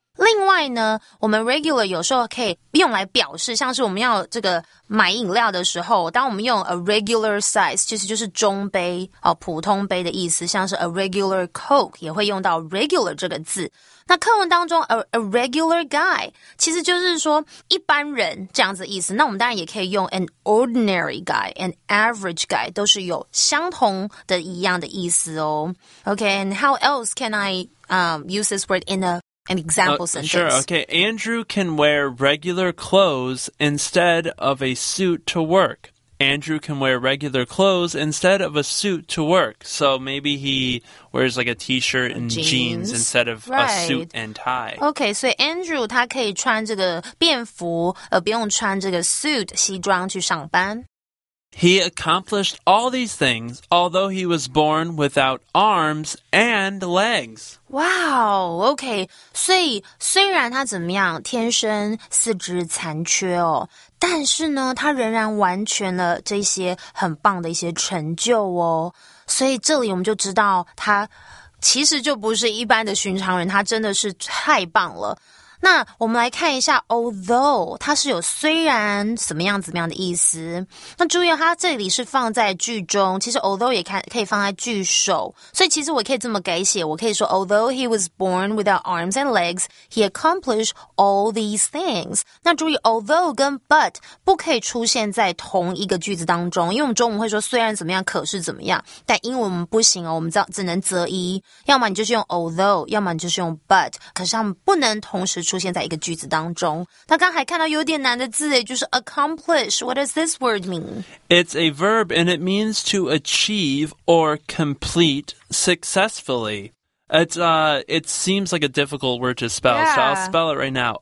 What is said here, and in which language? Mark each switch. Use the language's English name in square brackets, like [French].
[Chinese] 另外呢，我们 regular 有时候可以用来表示，像是我们要这个买饮料的时候，当我们用 a regular size， 其实就是中杯普通杯的意思，像是 a regular coke 也会用到 regular 这个字。那课文当中 a regular guy 其实就是说一般人这样子的意思，那我们当然也可以用 an ordinary guy， an average guy， 都是有相同的一样的意思哦。 [English] OK， and how else can I use this word in an example sentence. Sure, okay. Andrew can wear regular clothes instead of a suit to work. Andrew can wear regular clothes instead of a suit to work. So maybe he wears like a t-shirt and jeans instead of right. a suit and tie. [Chinese] Okay, so Andrew 他可以穿这个便服，不用穿这个 suit 西装去上班。 [English] He accomplished all these things, although he was born without arms and legs. Wow, okay. [Chinese] 所以虽然他怎么样，天生四肢残缺哦，但是呢，他仍然完成了这些很棒的一些成就哦。所以这里我们就知道他其实就不是一般的寻常人，他真的是太棒了。那我们来看一下 although， 它是有虽然怎么样怎么样的意思。那注意它这里是放在句中，其实 although 也可以放在句首，所以其实我可以这么改写，我可以说 [English] although he was born without arms and legs， he accomplished all these things。 [Chinese] 那注意 although 跟 but 不可以出现在同一个句子当中，因为我们中文会说虽然怎么样可是怎么样，但英文不行哦，我们只能择一，要么你就是用 although， 要么你就是用 but， 可是他们不能同时出现在一个句子当中。他刚才看到有点难的字，就是 accomplish. [English] What does this word mean? It's a verb and it means to achieve or complete successfully. It seems like a difficult word to spell, yeah. So I'll spell it right now.